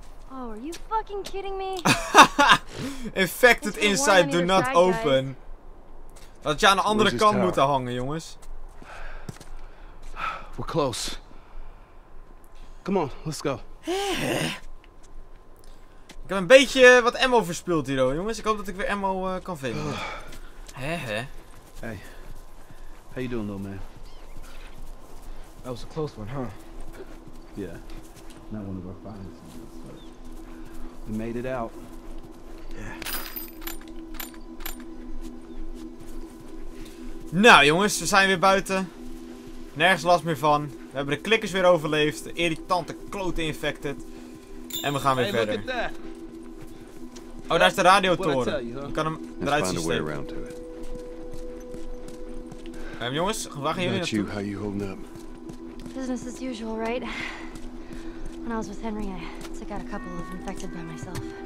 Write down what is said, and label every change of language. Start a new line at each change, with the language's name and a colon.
English: Oh, are you fucking kidding me? Infected inside, do not open.
Dutch: Dat je aan de andere kant moet hangen, jongens.
English: We're close. Come on, let's go.
Dutch: Ik heb een beetje wat ammo verspild hier, hoor, jongens. Ik hoop dat ik weer ammo kan vinden. Hé, hé. Hey.
English: How you doing, little man? That was a close one, huh? Yeah. Not one of our finest ones, but we made it out. Yeah.
Dutch: Nou, jongens, we zijn weer buiten. Nergens last meer van. We hebben de klikkers weer overleefd. De irritante klote infected. En we gaan weer verder.
English: Look at that.
Dutch: Oh, daar is de radiotoren. Je kan hem eruit zien. Jongens, waar gaan jullie naartoe?
English: Business as usual, right? When I was with Henry, I took out a couple of infected by myself.